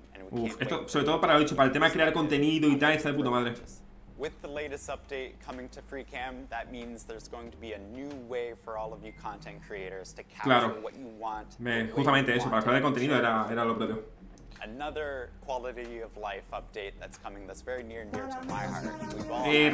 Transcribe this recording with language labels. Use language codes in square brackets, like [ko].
[es] Uf, esto, sobre todo para lo dicho, para el tema de crear contenido y tal, está de puta madre. [en] With the latest update coming to FreeCam, that means there's going to be a new way for all of you content creators to capture [es] claro. [en] What you want. [es] Justamente eso, para crear contenido era lo propio. [en] Another quality of life update that's coming that's very near and dear to my heart.